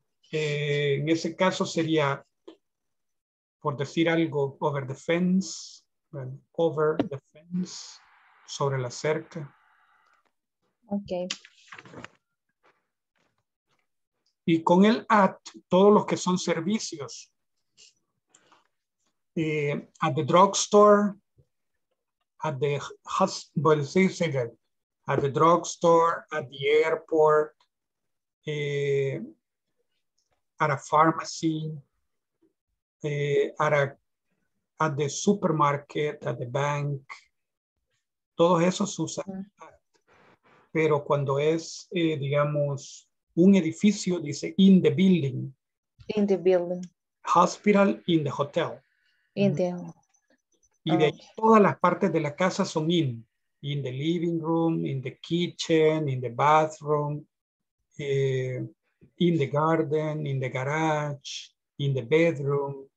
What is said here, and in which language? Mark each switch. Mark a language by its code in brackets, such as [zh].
[es] En ese caso sería, por decir algo, [en] over the fence. Over the fence, [es] sobre la cerca. [en] Okay. [es] Y con el at, todos los que son servicios. [en] At the drugstore, at the hospital, at the drugstore, at the airport, at a pharmacy, at the supermarket, at the bank. [es] Todos esos usan at. Pero cuando es, digamos, un edificio, dice [en] in the building. In the building. Hospital, in the hotel. In the... [es] Y de ahí todas las partes de la casa son in. [en] In the living room, in the kitchen, in the bathroom, in the garden, in the garage, in the bedroom.